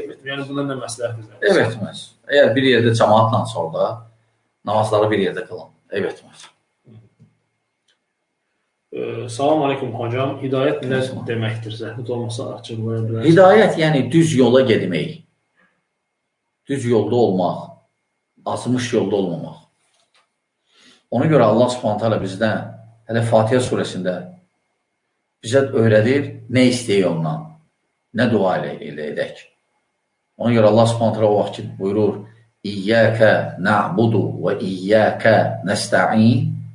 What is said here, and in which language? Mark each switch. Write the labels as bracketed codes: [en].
[az] Yəni, buna nə məsləhətdir? Ev etməz. Əgər bir yerdə cəmaatla sonra namazları bir yerdə qılın. Ev etməz. Salam aleyküm, hocam. Hidayət nə deməkdir? Zəhmət olmasa açıqlaya bilərsiniz. Hidayət, yəni düz yola gedmək. Düz yolda olmaq, azmış yolda olmamaq. Ona görə Allah subhanahu teala bizdən, hələ Fatihə surəsində bizə öyrədir, nə istəyir ondan, nə dua ilə edək. Ona görə Allah subhanahu teala o vaxt ki, buyurur, [ar] İyyəkə nə'budu və İyyəkə nəstə'in.